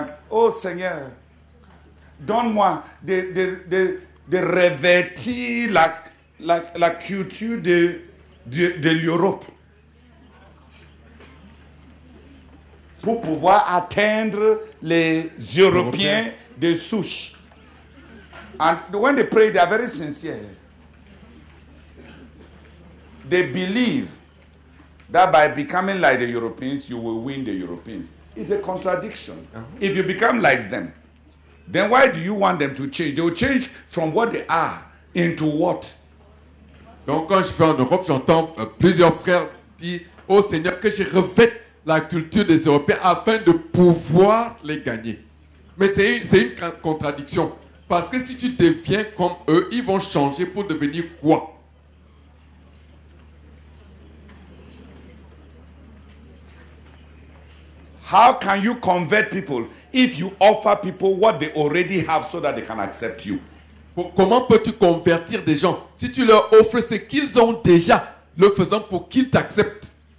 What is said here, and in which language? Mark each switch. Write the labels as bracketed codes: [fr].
[fr] oh Seigneur, donne-moi de revêtir la culture de l'Europe. pour pouvoir atteindre les Européens de souche. [en] And when they pray, they are very sincere. They believe that by becoming like the Europeans, you will win the Europeans. It's a contradiction. Uh-huh. If you become like them, then why do you want them to change? They will change from what they are into what? [fr] Donc quand je vais en Europe, j'entends plusieurs frères dire au Seigneur que je revête la culture des Européens afin de pouvoir les gagner. Mais c'est une contradiction. Parce que si tu deviens comme eux, ils vont changer pour devenir quoi? [en] How can you convert people if you offer people what they already have so that they can accept you? [fr] Comment peux-tu convertir des gens si tu leur offres ce qu'ils ont déjà, le faisant pour qu'ils t'acceptent?